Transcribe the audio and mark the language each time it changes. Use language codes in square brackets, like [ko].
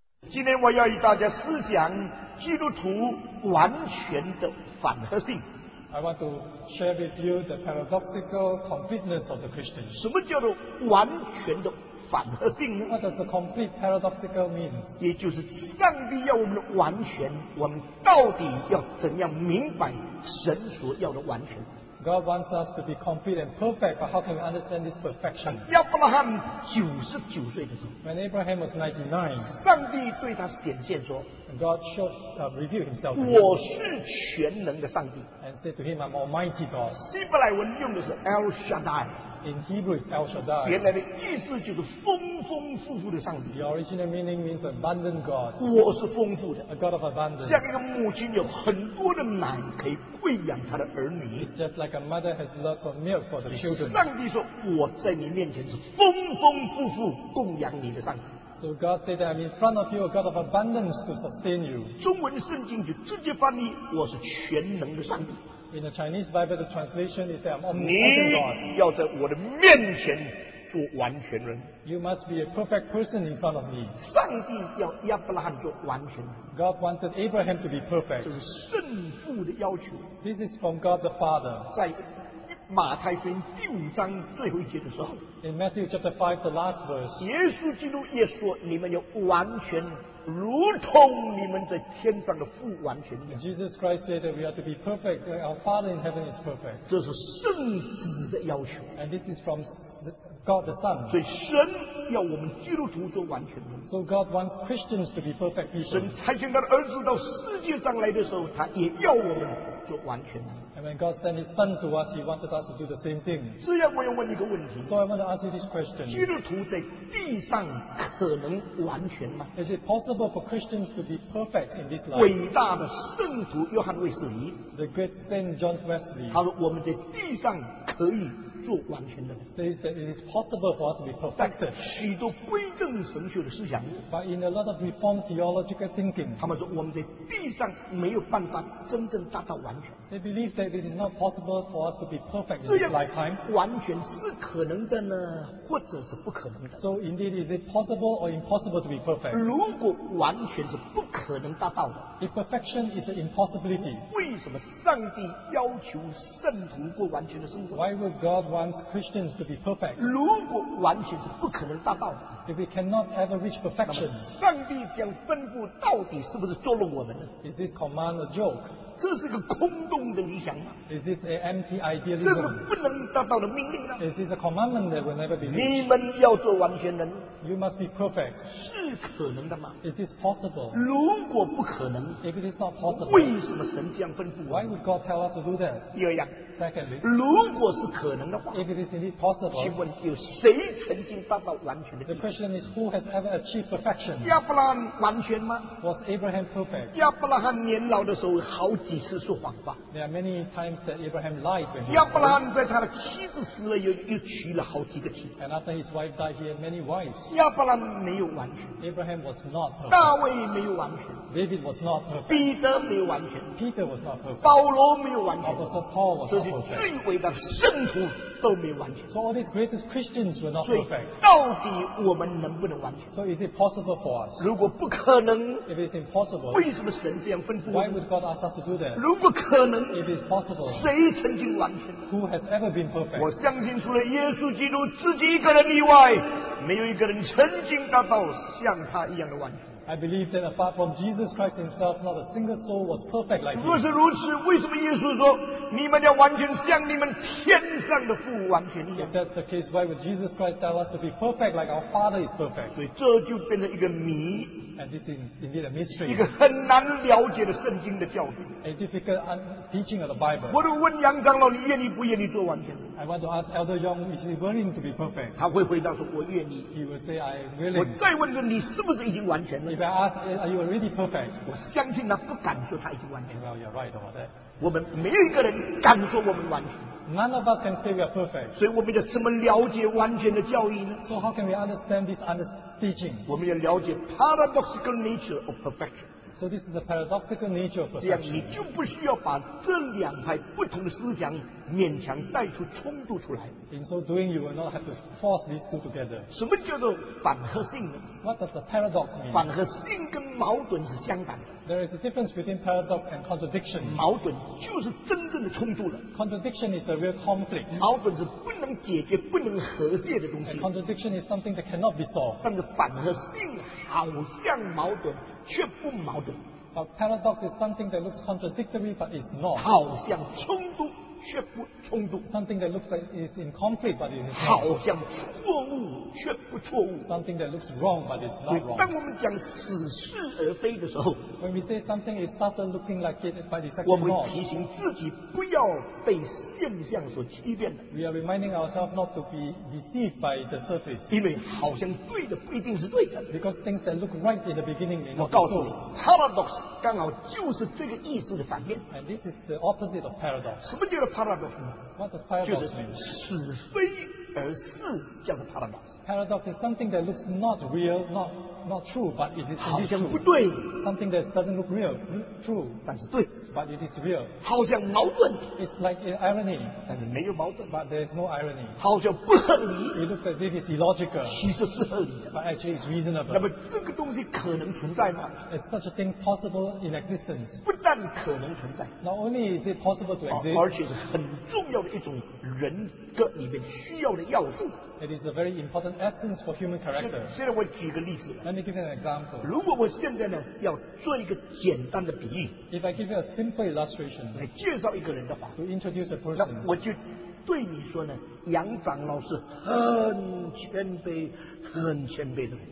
[zh] 今天我要与大家思想基督徒完全的反合性。 [en] I want to share with you the paradoxical completeness of the Christian. [zh] 什么叫做完全的反合性呢？ [en] What does the complete paradoxical mean? [zh] 也就是上帝要我们的完全，我们到底要怎样明白神所要的完全？ [en] God wants us to be complete and perfect, but how can we understand this perfection? [zh] 亚伯拉罕99岁的时候， [en] When Abraham was 99, [zh] 上帝对他显现说， [en] and God showed, revealed himself to him. [zh] 我是全能的上帝。 [en] And said to him, I'm Almighty God. [zh] 希伯来文用的是 El Shaddai。 [en] In Hebrew, it's El Shaddai. [zh] 原来的意思就是丰丰富富的上帝。 [en] The original meaning means abundant God. [zh] 我是丰富的。 [en] A God of abundance. [zh] 像一个母亲有很多的奶可以喂养她的儿女。 [en] It's just like a mother has lots of milk for the children. [zh] 上帝说，我在你面前是丰丰富富供养你的上帝。 [en] So God said that I'm in front of you, a God of abundance to sustain you. [zh] 中文圣经就直接翻译，我是全能的上帝。 [en] In the Chinese Bible, the translation is that I'm omnipotent God. [zh] 你要在我的面前做完全人。 [en] You must be a perfect person in front of me. [zh] 上帝要亚伯拉罕做完全人。 [en] God wanted Abraham to be perfect. [zh] 这是圣父的要求。 [en] This is from God the Father. [zh] 在马太福音第五章最后一节的时候。 [en] In Matthew chapter 5, the last verse. [zh] 耶稣基督也说，你们要完全如同你们在天上的父完全一样。 [en] Jesus Christ said that we are to be perfect. Our Father in heaven is perfect. [zh] 这是圣子的要求。 [en] And this is from God the Son. [zh] 所以神要我们基督徒做完全人。 [en] So God wants Christians to be perfect people. [zh] 神差遣他的儿子到世界上来的时候，他也要我们做完全人。 [en] And when God sent His Son to us, He wanted us to do the same thing. [zh] 这样我要问一个问题。 [en] So I want to ask you this question. [zh] 基督徒在地上可能完全吗？ [en] Is it possible for Christians to be perfect in this life? [zh] 伟大的圣徒约翰卫斯理。 [en] The great Saint John Wesley. [zh] 他说我们在地上可以做完全的。 [en] Says that it is possible for us to be perfected. [zh] 许多归正神学的思想。 [en] But in a lot of reformed theological thinking. [zh] 他们说我们在地上没有办法真正达到完全。 [en] They believe that it is not possible for us to be perfect in this lifetime. [zh] 完全是可能的呢，或者是不可能的。 [en] So indeed, is it possible or impossible to be perfect? [zh] 如果完全是不可能达到的， [en] if perfection is an impossibility, [zh] 为什么上帝要求圣徒过完全的生活？ [en] Why would God want Christians to be perfect? [zh] 如果完全是不可能达到的， [en] if we cannot ever reach perfection, [zh] 上帝这样吩咐到底是不是捉弄我们呢？ [en] Is this command a joke? [zh] 这是个空洞的理想吗？ [en] Is this an empty idealism? [zh] 这是不能达到的命令呢？ [en] Is this a commandment that will never be reached? [zh] 你们要做完全人， [en] You must be perfect. [zh] 是可能的吗？ [en] Is this possible? [zh] 如果不可能， [en] If it is not possible, [zh] 为什么神这样吩咐？ [en] Why would God tell us to do that? [zh] 第二样， [en] Secondly, [zh] 如果是可能的话， [en] If it is indeed possible, [zh] 请问有谁曾经达到完全的？ [en] The question is who has ever achieved perfection? [zh] 亚伯拉罕完全吗？ [en] Was Abraham perfect? [zh] 亚伯拉罕年老的时候好几几次说谎话。 [en] There are many times that Abraham lied when he. [zh] 亚伯拉罕在他的妻子死了又娶了好几个妻子。 [en] And after his wife died, he had many wives. [zh] 亚伯拉罕没有完全。 [en] Abraham was not perfect. [zh] 大卫没有完全。 [en] David was not perfect. [zh] 彼得没有完全。 [en] Peter was not perfect. [zh] 保罗没有完全。 [en] Apostle Paul was not perfect. [zh] 这些最伟大的圣徒都没有完全。 [en] So all these greatest Christians were not perfect. [zh] 到底我们能不能完全？ [en] So is it possible for us? [zh] 如果不可能， [en] If it is impossible, [zh] 为什么神这样吩咐？ [en] Why would God ask us to do that? [zh] 如果可能， [en] It is possible, [zh] 谁曾经完全？ [en] Who has ever been perfect? [zh] 我相信除了耶稣基督自己一个人以外，没有一个人曾经达到像他一样的完全。 [en] I believe that apart from Jesus Christ himself, not a single soul was perfect like him. [zh] 若是如此，为什么耶稣说你们要完全像你们天上的父完全一样？ [en] If that's the case, why would Jesus Christ tell us to be perfect like our Father is perfect? [zh] 所以这就变成一个谜。 [en] And this is indeed a mystery. [zh] 一个很难了解的圣经的教训。 [en] A difficult teaching of the Bible. [zh] 我就问杨长老，你愿意不愿意做完全？ [en] I want to ask Elder Young, is he willing to be perfect? [zh] 他会回答说，我愿意。 [en] He will say, I willing. [zh] 我再问说，你是不是已经完全了？ [en] If I ask, are you already perfect? [zh] 我相信他不敢说他已经完全。 [en] Well, you're right about that. [zh] 我们没有一个人敢说我们完全。 [en] None of us can say we are perfect. [zh] 所以我们要怎么了解完全的教义呢？ [en] So how can we understand this teaching? [zh] 我们要了解 [en] paradoxical nature of perfection. So this is the paradoxical nature of perception. [zh] 这样你就不需要把这两派不同的思想勉强带出冲突出来。 [en] In so doing, you will not have to force these two together. [zh] 什么叫做反和性呢？ [en] What does the paradox mean? [zh] 反和性跟矛盾是相反的。 [en] There is a difference between paradox and contradiction. [zh] 矛盾就是真正的冲突了。 [en] Contradiction is a real conflict. [zh] 矛盾是不能解决、不能和解的东西。 [en] And contradiction is something that cannot be solved. [zh] 但是反和性好像矛盾，却不矛盾。 [en] But paradox is something that looks contradictory, but is not. [zh] 好像冲突，却不冲突。 [en] Something that looks like is in conflict, but is not. [zh] 好像错误，却不错误。 [en] Something that looks wrong, but is not wrong. [zh] 当我们讲似是而非的时候， [en] when we say something is started looking like it, but is not. [zh] 我们提醒自己不要被现象所欺骗。 [en] We are reminding ourselves not to be deceived by the surface. [zh] 因为好像对的不一定是对的。 [en] Because things that look right in the beginning may not be true. [zh] 我告诉你 ，paradox 刚好就是这个意思的反面。 [en] And this is the opposite of paradox. [zh] 什么叫做 paradox？ [en] What does paradox mean? [zh] 就是似非而是叫做 paradox。 [en] Paradox is something that looks not real, not true, but it is true. [zh] 好像不对。 [en] Something that doesn't look real, true. [zh] 但是对。 [en] But it is real. [zh] 好像矛盾。 [en] It's like an irony. [zh] 但是没有矛盾。 [en] But there is no irony. [zh] 好像不合理。 [en] It looks as if it's illogical. [zh] 其实是合理的。 [en] But actually it's reasonable. [zh] 那么这个东西可能存在吗？ [en] Is such a thing possible in existence? [zh] 不但可能存在。 [en] Not only is it possible to exist. [zh] 而且是很重要的一种人格里面需要的要素。 [en] It is a very important essence for human character. [zh] 现在我举个例子。 [en] Let me give you an example. [zh] 如果我现在呢，要做一个简单的比喻。 [en] If I give you a simple illustration. [zh] 来介绍一个人的话。 [en] To introduce a person. [zh] 那我就对你说呢，杨长老是很谦卑、很谦卑的。